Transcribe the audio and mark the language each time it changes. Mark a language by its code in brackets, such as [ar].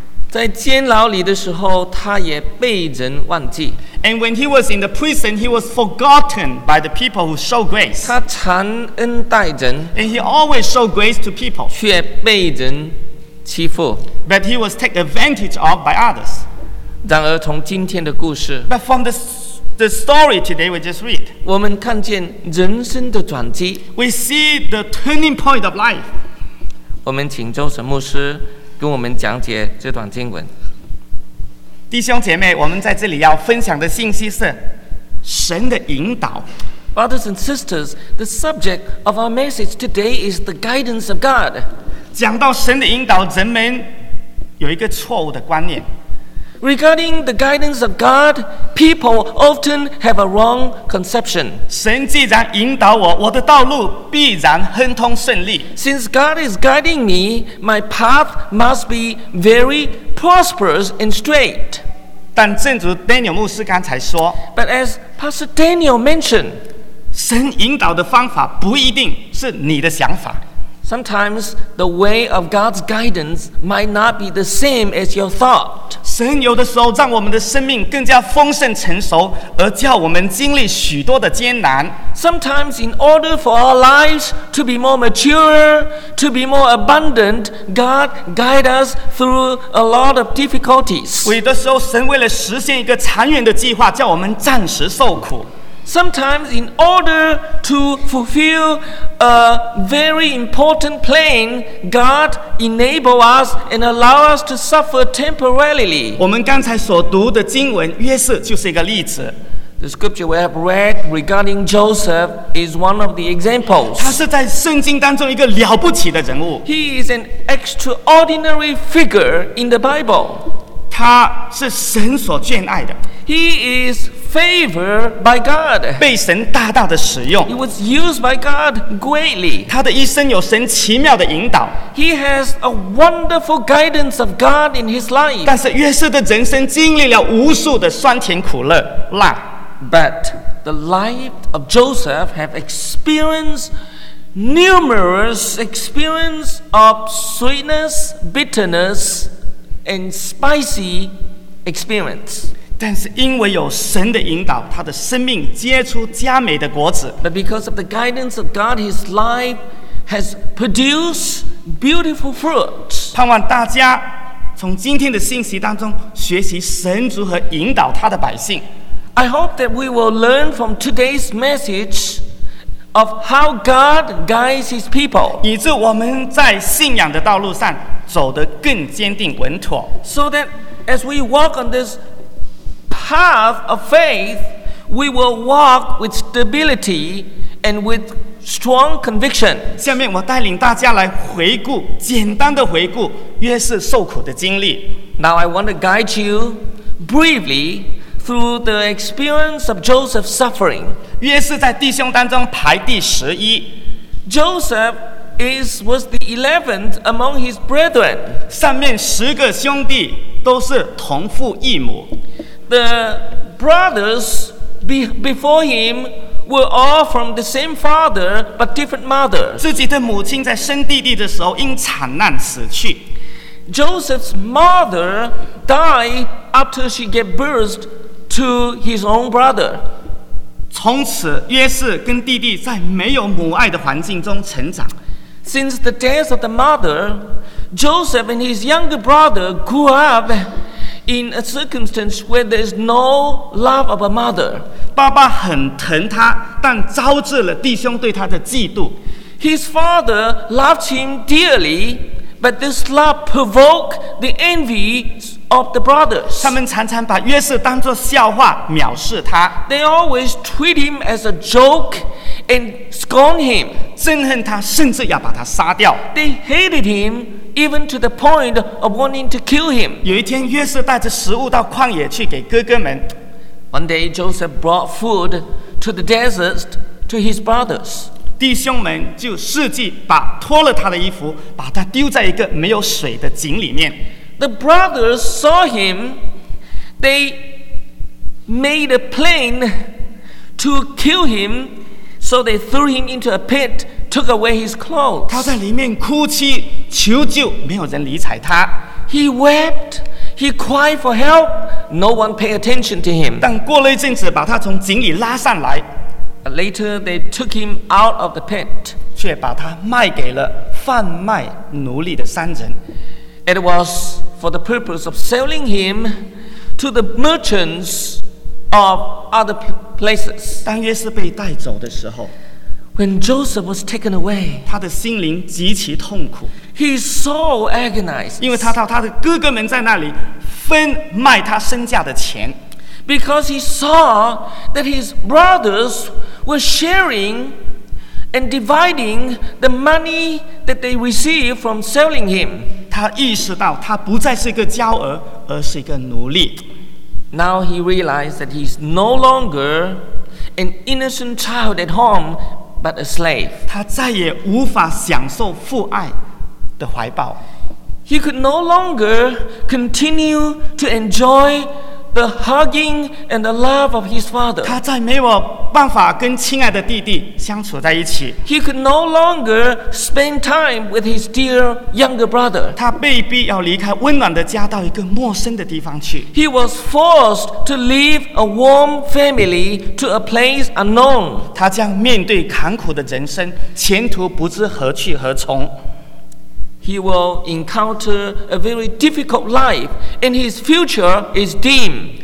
[zh] 在监牢里的时候，他也被人忘记。 [en] And when he was in the prison, he was forgotten by the people who show grace. [zh] 他常恩待人 [en] ，and he always show grace to people. [zh] 却被人欺负。 [en] But he was taken advantage of by others. [zh] 然而，从今天的故事 [en] ，But from the story today we just read, [zh] 我们看见人生的转机。 [en] We see the turning point of life. [zh] 我们请周神牧师。跟我们讲解这段经文，弟兄姐妹，我们在这里要分享的信息是神的引导。 [en] Brothers and sisters, the subject of our message today is the guidance of God. [zh] 讲到神的引导，人们有一个错误的观念。 [en] Regarding the guidance of God, people often have a wrong conception. [zh] 神既然引导我，我的道路必然亨通顺利。 [en] Since God is guiding me, my path must be very prosperous and straight. [zh] 但正如 Daniel 牧师刚才说 [en] But as Pastor Daniel mentioned, [zh] 神引导的方法不一定是你的想法。 [en] Sometimes the way of God's guidance might not be the same as your thought. [zh] 神有的时候让我们的生命更加丰盛成熟，而叫我们经历许多的艰难。 [en] Sometimes in order for our lives to be more mature, to be more abundant, God guides us through a lot of difficulties. [zh] 有的时候神为了实现一个长远的计划，叫我们暂时受苦。 [en] Sometimes in order to fulfill a very important plan, God enables us and allows us to suffer temporarily. [zh] 我们刚才所读的经文，约瑟就是一个例子。 [en] The scripture we have read regarding Joseph is one of the examples. [zh] 他是在圣经当中一个了不起的人物。 [en] He is an extraordinary figure in the Bible. [zh] 他是神所眷爱的。 [en] He is favored by God. [zh] 被神大大的使用。 [en] He was used by God greatly. [zh] 他的一生有神奇妙的引导。 [en] He has a wonderful guidance of God in his life. [zh] 但是约瑟的人生经历了无数的酸甜苦乐辣。 [en] But the life of Joseph have experienced numerous experience of sweetness, bitterness, and spicy experience. [zh] 但是因为有神的引导，他的生命结出佳美的果子。 [en] But because of the guidance of God, his life has produced beautiful fruit. [zh] 盼望大家从今天的信息当中学习神如何引导他的百姓。 [en] I hope that we will learn from today's message of how God guides his people. [zh] 以致我们在信仰的道路上走得更坚定稳妥。 [en] So that as we walk on this path of faith, we will walk with stability and with strong conviction. [zh] 下面我带领大家来回顾，简单的回顾约瑟受苦的经历。 [en] Now I want to guide you briefly through the experience of Joseph's suffering. [zh] 约瑟在弟兄当中排第十一。 [en] Joseph was the 11th among his brethren. [zh] 上面十个兄弟都是同父异母。 [en] The brothers before him were all from the same father but different mother. [zh] 自己的母亲在生弟弟的时候因惨难死去。 [en] Joseph's mother died after she gave birth to his own brother. [zh] 从此约瑟跟弟弟在没有母爱的环境中成长。 [en] Since the death of the mother, Joseph and his younger brother grew up in a circumstance where there is no love of a mother. [zh] 爸爸很疼他，但招致了弟兄对他的嫉妒。 [en] His father loved him dearly, but this love provoked the envy of the brothers. [zh] 他们常常把约瑟当作笑话藐视他。 [en] They always treat him as a joke and scorn him. [zh] 憎恨他，甚至要把他杀掉。 [en] They hated him. Even to the point of wanting to kill him. [zh] 有一天，约瑟带着食物到旷野去给哥哥们。 [en] One day, Joseph brought food to the desert to his brothers. [zh] 弟兄们就伺机把脱了他的衣服，把他丢在一个没有水的井里面。 [en] The brothers saw him. They made a plan to kill him, so they threw him into a pit. Took away his clothes. [zh] 他在里面哭泣求救，没有人理睬他。 [en] He wept, he cried for help, no one paid attention to him. [zh] 但过了一阵子，把他从井里拉上来。 [en] Later, they took him out of the pit. [zh] 却把他卖给了贩卖奴隶的商人。 [en] It was for the purpose of selling him to the merchants of other places. [zh] 当约瑟被带走的时候。 [en] When Joseph was taken away, [zh] 他的心灵极其痛苦。 [en] He so agonized, [zh] 因为他到他的哥哥们在那里分卖他身价的钱。 [en] Because he saw that his brothers were sharing and dividing the money that they received from selling him. [zh] 他意识到他不再是一个骄儿，而是一个奴隶。 [en] Now he realized that he's no longer an innocent child at home. But a slave. [zh] 他再也无法享受父爱的怀抱。 [en] He could no longer continue to enjoy the hugging and the love of his father. [zh] 他再没有办法跟亲爱的弟弟相处在一起。 [en] He could no longer spend time with his dear younger brother. [zh] 他被逼要离开温暖的家，到一个陌生的地方去。 [en] He was forced to leave a warm family to a place unknown. [zh] 他将面对坎坷的人生，前途不知何去何从。 [en] He will encounter a very difficult life, and his future is dim.